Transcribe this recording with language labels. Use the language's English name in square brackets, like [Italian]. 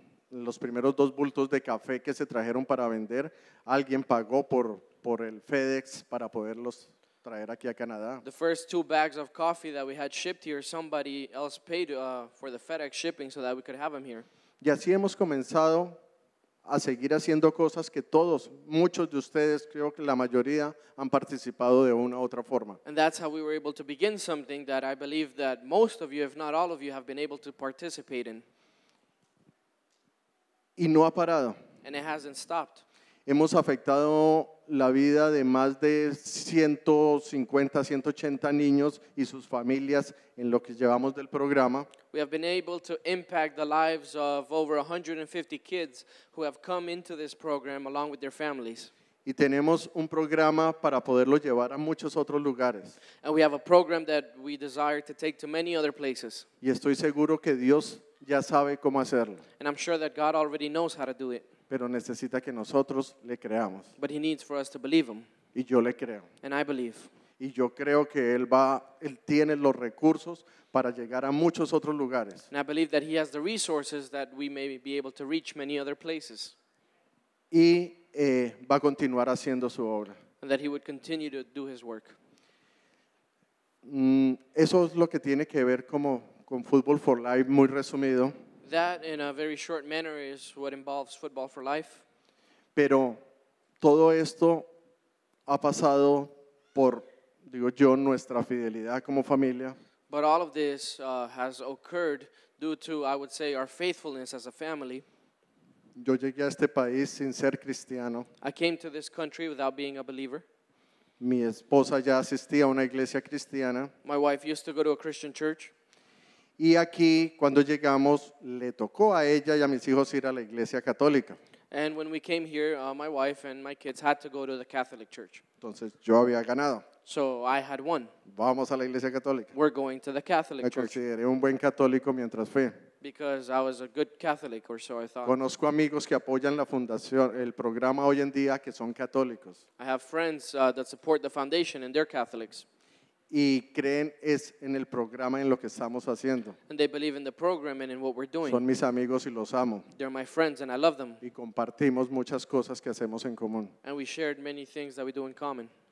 [Spanish] Los primeros dos bultos de café que se trajeron para vender, alguien pagó por el FedEx para poderlos traer aquí a Canadá. [English] The first two bags of coffee that we had shipped here, somebody else paid for the FedEx shipping so that we could have them here. [Spanish] Y así hemos comenzado a seguir haciendo cosas que todos, muchos de ustedes, creo que la mayoría, han participado de una u otra forma. [English] And that's how we were able to begin something that I believe that most of you, if not all of you, have been able to participate in. [Spanish] Y no ha parado. [English] And it hasn't stopped. [Spanish] Hemos afectado la vida de más de 150, 180 niños y sus familias en lo que llevamos del programa. [English] We have been able to impact the lives of over 150 kids who have come into this program along with their families. [Spanish] Y tenemos un programa para poderlo llevar a muchos otros lugares. [English] And we have a program that we desire to take to many other places. [Spanish] Y estoy seguro que Dios ya sabe cómo hacerlo. [English] And I'm sure that God already knows how to do it. [Spanish] Pero necesita que nosotros le creamos. [English] But he needs for us to believe him. [Spanish] Y yo le creo. [English] And I believe. [Spanish] Y yo creo que él tiene los recursos para llegar a muchos otros lugares. [English] And I believe that he has the resources that we may be able to reach many other places. [Spanish] Y va a continuar haciendo su obra. [English] And that he would continue to do his work. [Spanish] Eso es lo que tiene que ver con Football for Life, muy resumido. [English] That, in a very short manner, is what involves Football for Life. [Spanish] Pero todo esto ha pasado por, digo yo, nuestra fidelidad como familia. [English] But all of this has occurred due to, I would say, our faithfulness as a family. [Spanish] Yo llegué a este país sin ser cristiano. [English] I came to this country without being a believer. [Spanish] Mi esposa ya asistía a una iglesia cristiana. [English] My wife used to go to a Christian church. [Spanish] Y aquí, cuando llegamos, le tocó a ella y a mis hijos ir a la iglesia católica. [English] And when we came here, my wife and my kids had to go to the Catholic Church. [Spanish] Entonces, yo había ganado. [English] So, I had won. [Spanish] Vamos a la iglesia católica. [English] We're going to the Catholic Church. [Spanish] Me consideré un buen católico mientras fui. [English] Because I was a good Catholic, or so I thought. [Spanish] Conozco amigos que apoyan la fundación, el programa hoy en día, que son católicos. [English] I have friends that support the foundation, and they're Catholics. [Spanish] Y creen es en el programa en lo que estamos haciendo. [English] And they believe in the program and in what we're doing. [Spanish] Son mis amigos y los amo. [English] They're my friends and I love them. [Spanish] Y compartimos muchas cosas que hacemos en común. [English] And we shared many things that we do in common.